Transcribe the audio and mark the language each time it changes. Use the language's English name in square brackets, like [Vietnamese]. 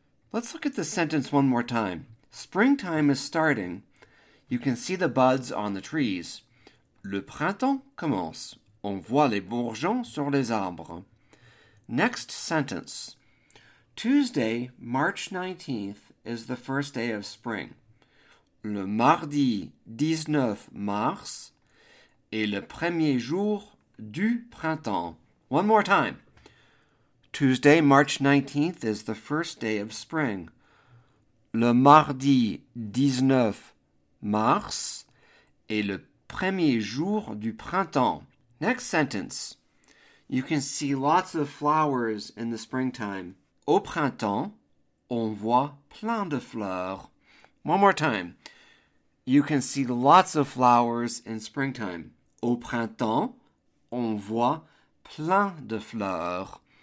[English] Let's look at the sentence one more time. Springtime is starting. You can see the buds on the trees. [French] Le printemps commence. On voit les bourgeons sur les arbres. [English] Next sentence. Tuesday, March 19th, is the first day of spring. [French] Le mardi 19 mars est le premier jour du printemps. [English] One more time. Tuesday, March 19th, is the first day of spring. [French] Le mardi 19 mars est le premier jour du printemps. [English] Next sentence. You can see lots of flowers in the springtime. [French] Au printemps, on voit plein de fleurs. [English] One more time. You can see lots of flowers in springtime. [French] Au printemps, on voit plein de fleurs.